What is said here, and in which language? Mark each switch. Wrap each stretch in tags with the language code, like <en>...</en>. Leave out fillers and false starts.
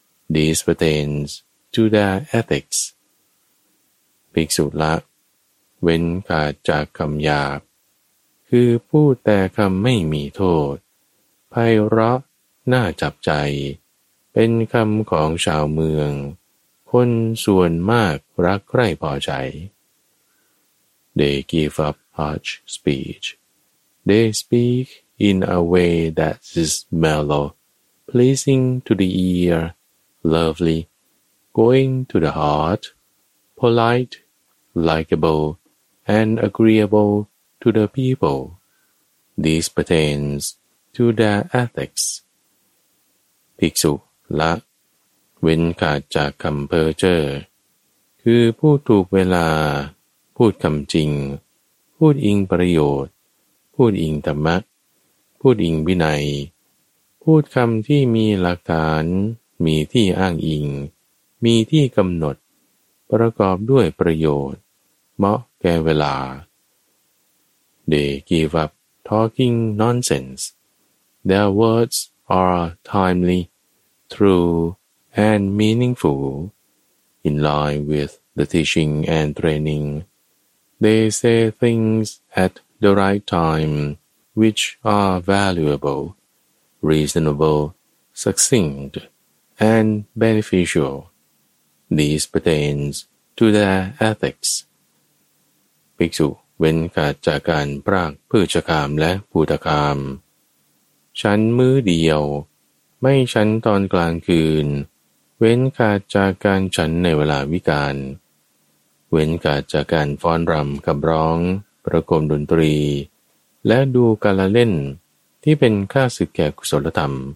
<en>This pertains to their ethics.</en> <th>ภิกษุละเว้นขาดจากคำหยาบคือพูดแต่คำไม่มีโทษไพเราะน่าจับใจเป็นคำของชาวเมืองคนส่วนมากรักใคร่พอใจ</th> <en>They give up harsh speech. They speak in a way that is mellow, pleasing to the ear, lovely, going to the heart, polite, likable, and agreeable to the people. This pertains to their ethics.</en> <th>ภิกษุละเว้นขาดจากคำเพ้อเจ้อคือพูดถูกเวลาพูดคำจริงพูดอิงประโยชน์พูดอิงธรรมะพูดอิงวินัยพูดคำที่มีหลักฐานมีที่อ้างอิงมีที่กำหนดประกอบด้วยประโยชน์เหมาะแก่เวลา</th> <en>They give up talking nonsense. Their wordsare timely, true, and meaningful. In line with the teaching and training, they say things at the right time which are valuable, reasonable, succinct, and beneficial. This pertains to their ethics.</en> <th>ภิกษุเว้นขาดจากการปรากพืชกามและภูตกามฉันมื้อเดียวไม่ฉันตอนกลางคืนเว้นขาดจากการฉันในเวลาวิกาลเว้นขาดจากการฟ้อนรำกับร้องประคมดนตรีและดูการเล่นที่เป็นข้าศึกแก่กุศลธรรม</th>